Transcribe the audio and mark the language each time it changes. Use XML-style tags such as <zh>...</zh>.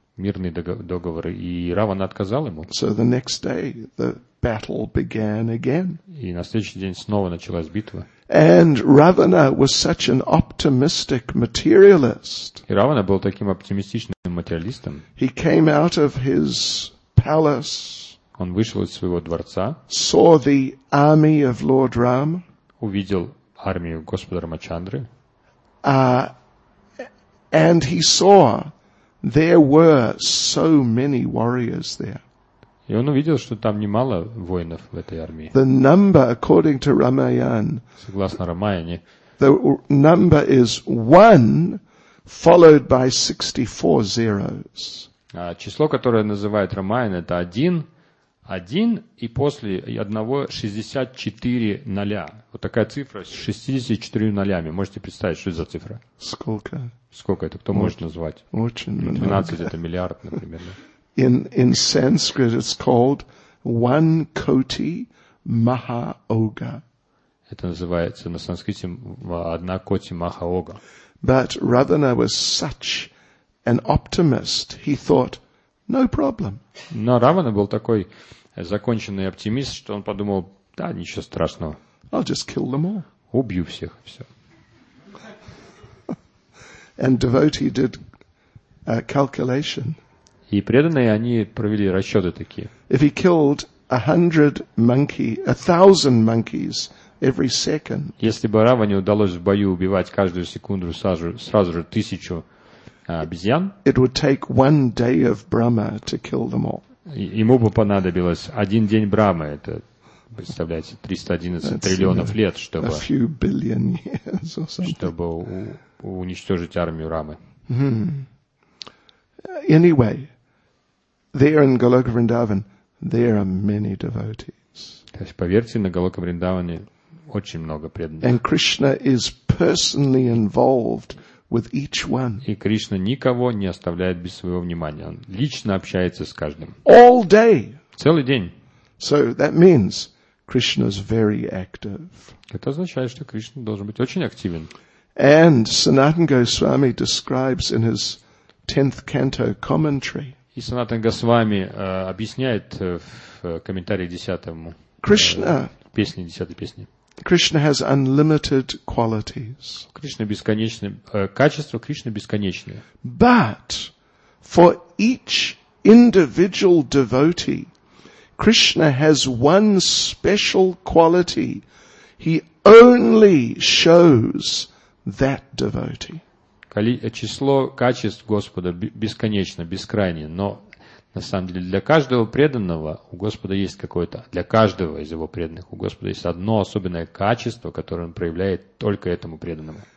<ru>Мирный договор, и Равана отказал ему.</ru> <en>So the next day the battle began again.</en> <ru>И на следующий день снова началась битва.</ru> <en>And Ravana was such an optimistic materialist.</en> <ru>И Равана был таким оптимистичным материалистом.</ru> <en>He came out of his palace.</en> <ru>Он вышел из своего дворца.</ru> <en>Saw the army of Lord Ram.</en> <ru>Увидел армию Господа Рамачандры.</ru> <en>And he saw there were so many warriors there.</en> <ru>И он увидел, что там немало воинов в этой армии.</ru> <en>The number, according to Ramayan,</en> <ru>согласно Рамаяне,</ru> <en>the number is one followed by 64 zeros.</en> <ru>А число, которое называет Рамаяна, это один, один и после одного 64 ноля. Вот такая цифра с 64 нолями. Можете представить, что это за цифра? Сколько? Сколько это? Кто может назвать? Очень много. 12 это миллиард, например.</ru> <en>In Sanskrit it's called one koti maha oga.</en> <ru>Это называется на санскрите одна коти маха ога.</ru> <en>But Ravana was such an optimist. He thought, no problem.</en> <ru>Но Равана был такой законченный оптимист, что он подумал, да, ничего страшного.</ru> <en>I'll just kill them all.</en> <ru>Убью всех, все.</ru> <en>And devotee did a calculation.</en> <ru>И преданные, они провели расчеты такие.</ru> <en>If he killed 100 monkey, 1000 monkeys every second.</en> <ru>Если бы Раване удалось в бою убивать каждую секунду сразу же 1000 обезьян.</ru> <en>It would take one day of Brahma to kill them all.</en> <ru>Ему бы понадобилось один день Брахмы, это представляете, 311</ru> <en>That's</en> <ru>триллионов a, лет, чтобы,</ru> <en>a few billion years or something.</en> <ru>Чтобы уничтожить армию Рамы. Mm-hmm.</ru> <en>Anyway, there in Goloka Vrindavan, there are many devotees.</en> <ru>То есть, поверьте, на Голока Вриндаване очень много преданных.</ru> <en>And Krishna is personally involved with each one.</en> <ru>И Кришна никого не оставляет без своего внимания. Он лично общается с каждым.</ru> <en>All day.</en> <ru>Целый день.</ru> <en>So that means Krishna is very active.</en> <ru>Это означает, что Кришна должен быть очень активен.</ru> <en>And Sanatana Goswami describes in his 10th canto commentary.</en> <ru>И Санатан Госвами объясняет в комментарии 10-му.</ru> <en>Krishna.</en> <ru>Песни 10-й песни.</ru> <en>Krishna has unlimited qualities.</en> <ru>Кришна бесконечны. Качества Кришны бесконечны.</ru> <en>But for each individual devotee, Krishna has one special quality. He only shows that devotee.</en> <ru>Число качеств Господа бесконечно, бескрайне, но на самом деле для каждого преданного у Господа есть какое-то, для каждого из его преданных у Господа есть одно особенное качество, которое он проявляет только этому преданному.</ru>